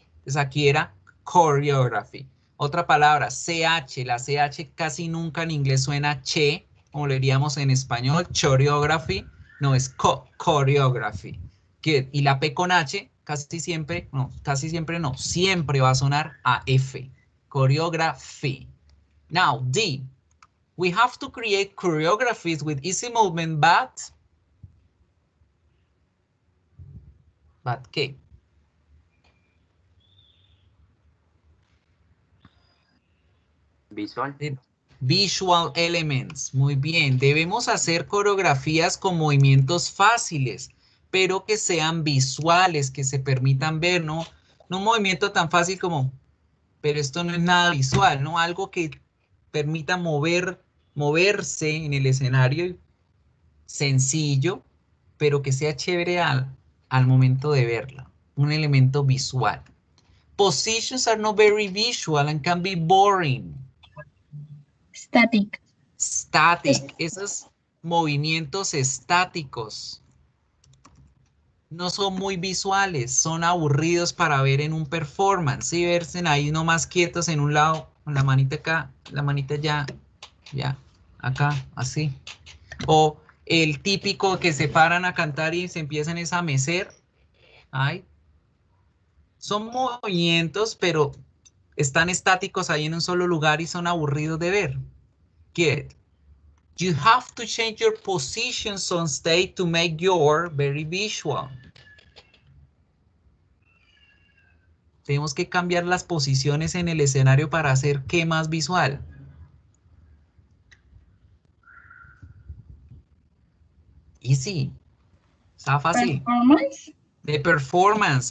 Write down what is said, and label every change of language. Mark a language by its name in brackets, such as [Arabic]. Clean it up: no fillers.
[Spanish] Entonces aquí era choreography. Otra palabra, CH. La CH casi nunca en inglés suena che, como le diríamos en español, choreography. No, es choreography. [English] Good. [Spanish] Y la P con H, siempre va a sonar a F. [English] Choreography. Now, D. We have to create choreographies with easy movement, but... But qué? Visual [Spanish] elements. Muy bien. Debemos hacer coreografías con movimientos fáciles, pero que sean visuales, que se permitan ver, ¿no? No un movimiento tan fácil como, pero esto no es nada visual, ¿no? Algo que permita moverse en el escenario, sencillo, pero que sea chévere al momento de verla. Un elemento visual. [English] Positions are not very visual and can be boring. Static. [Spanish] Esos movimientos estáticos no son muy visuales, son aburridos para ver en un performance. Y verse ahí nomás quietos en un lado, con la manita acá, la manita ya, ya, acá, así. O el típico que se paran a cantar y se empiezan a mecer. Ay. Son movimientos, pero están estáticos ahí en un solo lugar y son aburridos de ver. [English] Good. You have to change your positions on stage to make your very visual. [Spanish] Tenemos que cambiar las posiciones en el escenario para hacer qué más visual. [English] Easy. [Spanish] Está fácil. [English] Performance. The performance.